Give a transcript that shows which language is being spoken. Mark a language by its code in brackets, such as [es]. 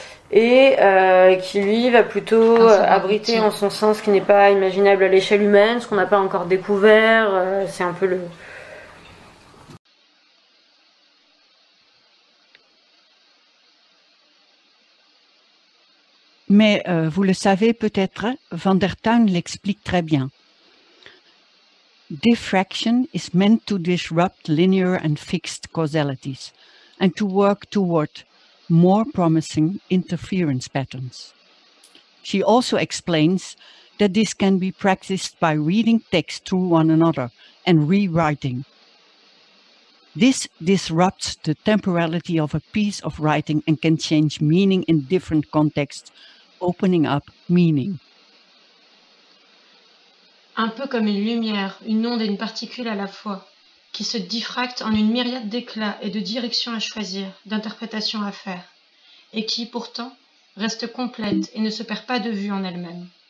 [fr] et qui lui va plutôt abriter en son sein ce qui n'est pas imaginable à l'échelle humaine, ce qu'on n'a pas encore découvert, c'est un peu le... Mais vous le savez peut-être, Van der Tuin l'explique très bien. [en] Diffraction is meant to disrupt linear and fixed causalities and to work toward more promising interference patterns. She also explains that this can be practiced by reading text through one another and rewriting. This disrupts the temporality of a piece of writing and can change meaning in different contexts, opening up meaning. [fr] Un peu comme une lumière, une onde et une particule à la fois, qui se diffracte en une myriade d'éclats et de directions à choisir, d'interprétations à faire, et qui, pourtant, reste complète et ne se perd pas de vue en elle-même.